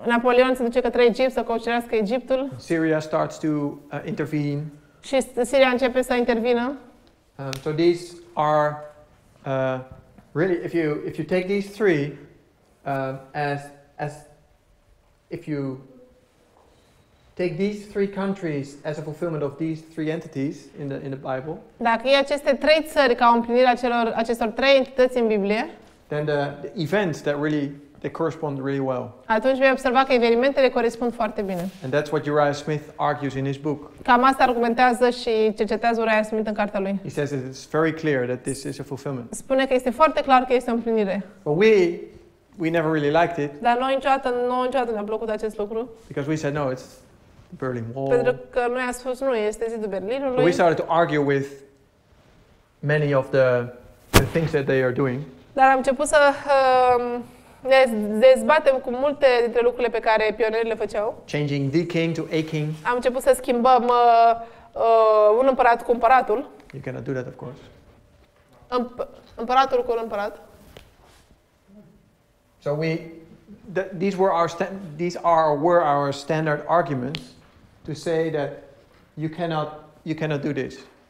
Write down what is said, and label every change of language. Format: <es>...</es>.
<ro>Napoleon se duce către Egipt să conquerească Egiptul.</ro> <en>Syria starts to intervene.</en> <ro>Și Siria începe să intervină.</ro> <en>So these are really if you take these three as if you take these three countries as a fulfillment of these three entities in the Bible.</en> <ro>Dacă iei aceste trei țări ca împlinirea acestor trei entități în Biblie.</ro> <en>Then the events that really they correspond really well.</en> <ro>Atunci vei observa că evenimentele corespund foarte bine.</ro> <en>And that's what Uriah Smith argues in his book.</en> <ro>Cam asta argumentează și cercetează Uriah Smith în cartea lui.</ro> <en>He says it's very clear that this is a fulfillment.</en> <ro>Spune că este foarte clar că este o împlinire.</ro> <en>But we never really liked it.</en> <ro>Dar noi niciodată ne-a plăcut acest lucru.</ro> <en>Because we said no, it's Berlin Wall.</en> <ro>Pentru că noi am spus nu, este zidul Berlinului.</ro> <en>We started to argue with many of the things that they are doing.</en> <ro>Dar am început să ne dezbatem cu multe dintre lucrurile pe care pionerile făceau.</ro> <en>Changing the king to a king.</en> <ro>Am început să schimbăm un împărat cu împăratul.</ro> <en>You cannot do that, of course.</en> <ro>Împăratul cu un împărat.</ro> <en>So we these were our standard arguments to say that you cannot do this.</en>